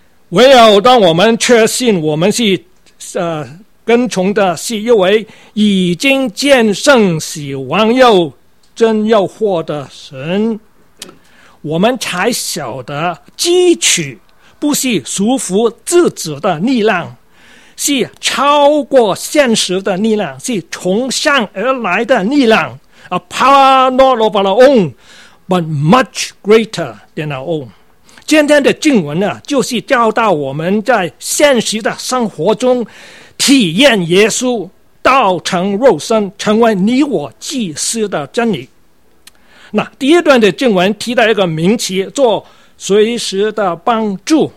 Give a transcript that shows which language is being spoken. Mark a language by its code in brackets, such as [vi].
[zh] 唯有当我们确信我们是跟从的是一位已经战胜死亡又真又活的神，我们才晓得汲取不是束缚自己的力量，是超过现实的力量，是从上而来的力量。 [en] A power not of our own but much greater than our own。 [zh] 今天的经文呢，就是教导我们在现实的生活中体验耶稣道成肉身，成为你我祭司的真理。那第一段的经文提到一个名词，做随时的帮助。